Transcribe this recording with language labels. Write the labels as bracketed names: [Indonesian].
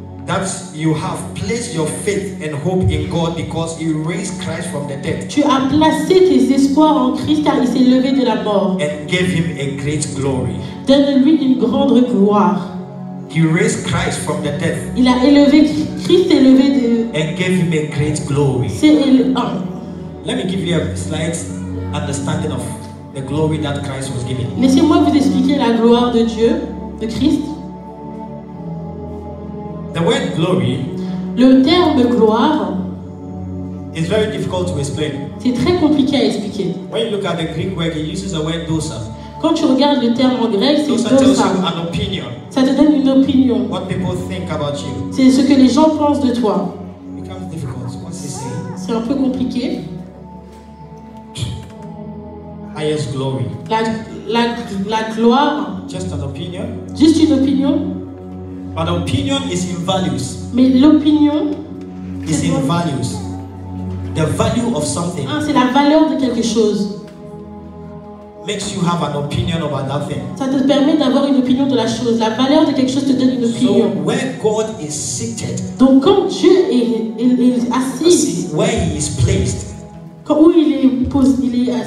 [English] That you have placed your faith and hope in God because He raised Christ from the dead. [French] Tu as placé tes espoirs en Christ car il s'est levé de la mort. [English] And gave Him a great glory. [French] Donne-lui une grande gloire. [English] He raised Christ from the dead. [French] Il a élevé Christ est levé de. [English] And gave Him a great glory. [French] C'est élevé. [English] Let me give you a slight understanding of the glory that Christ was giving. [French] Laissez-moi vous expliquer la gloire de Dieu, de Christ. [English] The word glory, [French] le terme gloire, [English] is very difficult to explain. [French] C'est très compliqué à expliquer. [English] When you look at the Greek word, it uses the word dosa. [French] Quand tu regardes le terme en grec, c'est dosa. [English] Dosa tells you an opinion. [French] Ça te donne une opinion. [English] What people think about you. [French] C'est ce que les gens pensent de toi. [English] It becomes difficult. What's he saying? [French] C'est un peu compliqué. [English] Highest glory. [French] La gloire. [English] Just an opinion. [French] Juste une opinion. [English] But opinion is in values. [French] Mais l'opinion [English] is in values. The value of something. [French] Ah, c'est la valeur de quelque chose. [English] Makes you have an opinion about that thing. [French] Ça te permet d'avoir une opinion de la chose. La valeur de quelque chose te donne une opinion. [English] So where God is seated. [French] Donc quand Dieu est assis. [English] Where He is placed. [French] Quand, où il est posé, il est assis.